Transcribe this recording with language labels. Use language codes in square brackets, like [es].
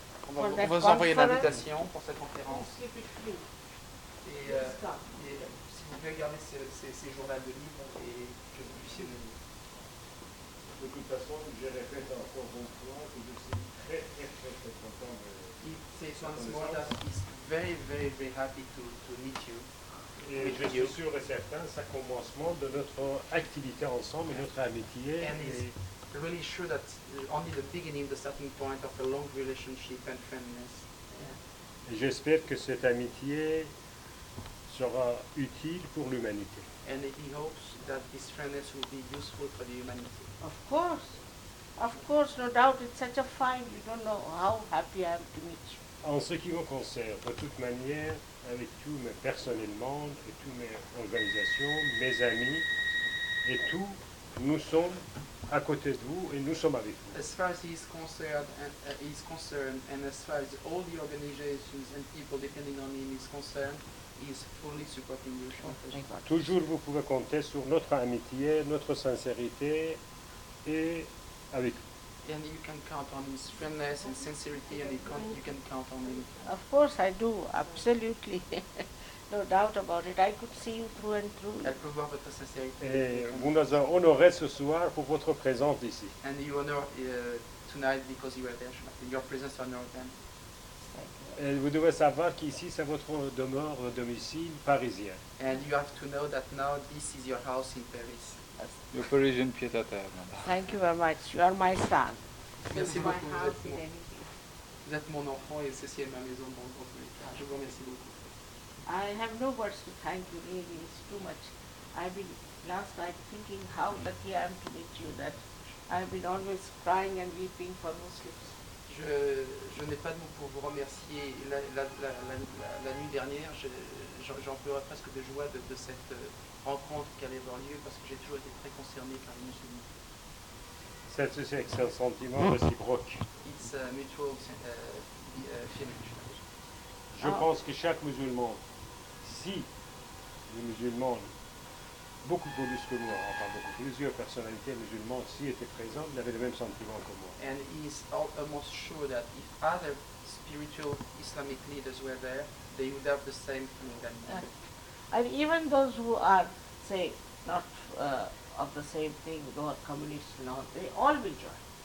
[fr] On va vous envoyer l'invitation pour cette conférence. Et si vous pouvez garder ces journaux de livres et que vous puissiez venir. De toute façon, je répète encore bon point et je suis très content de. [en] It says once more that he's very, very, very happy to meet you. [fr] Et je suis sûr et certain, c'est un commencement de notre activité ensemble, notre amitié. [en] And he's really sure that only the beginning, the starting point of a long relationship and friendliness. Yeah. [fr] J'espère que cette amitié sera utile pour l'humanité. [en] And he hopes that this friendliness will be useful for the humanity. Of course, no doubt, it's such a fine, you don't know how happy I am to meet you. En ce qui me concerne, de toute manière, avec tout, mais personnellement, et toutes mes organisations, mes amis, et tout, nous sommes à côté de vous et nous sommes avec vous. As far as he's concerned, and as far as all the organizations and people depending on him is concerned, he's fully supporting you. Toujours vous pouvez compter sur notre amitié, notre sincérité et avec vous. And you can count on his friendliness and sincerity, and you can count on him. Of course I do, absolutely. No doubt about it. I could see you through and through. I approve of your sincerity. [fr] Et vous nous honorez ce soir pour votre présence ici. [en] And you honor tonight because you were there. Your presence honored them. [fr] Et vous devez savoir qu'ici c'est votre demeure, votre domicile parisien. [en] And you have to know that now this is your house in Paris. [fr] Le Parisien pied-à-terre. [en] Thank you very much. You are my son. [fr] Merci beaucoup. Vous êtes mon enfant et ceci est ma maison. Je vous remercie beaucoup. [en] I have no words to thank you, really. It's too much. I've been last night thinking how lucky I am to meet you, that I've been always crying and weeping for Muslims. [fr] Je n'ai pas de mots pour vous remercier. La nuit dernière, j'en pleurais presque de joie de cette rencontre qui allait avoir lieu parce que j'ai toujours été très concerné par les musulmans. C'est un sentiment réciproque. [en] It's a mutual feeling. [fr] Je pense que chaque musulman, si les musulmans, beaucoup plus que moi, enfin beaucoup plusieurs personnalités musulmanes, si étaient présentes, avaient le même sentiment que moi. [en] And he's almost sure that if other spiritual Islamic leaders were there, they would have the same feeling than me. And even those who are, say, not of the same thing, who are communists and all, they all will join.